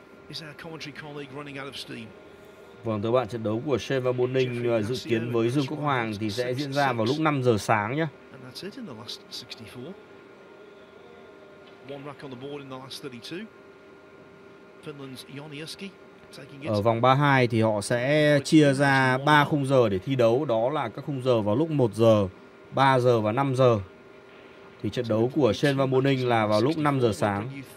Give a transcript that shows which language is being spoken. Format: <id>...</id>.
<en>Is our commentary colleague running out of steam?</en> <vi>Vâng, thưa bạn, trận đấu của Shane và Bonin dự kiến với Dương Quốc Hoàng thì sẽ diễn ra vào lúc 5 giờ sáng nhé.</vi> <en>And that's it in the last 64. One rack on the board in the last 32. Finland's Joni Uski.</en> <vi>Ở vòng 32 thì họ sẽ chia ra 3 khung giờ để thi đấu, đó là các khung giờ vào lúc 1 giờ, 3 giờ và 5 giờ. Thì trận đấu của Shane Van Boning là vào lúc 5 giờ sáng.</vi>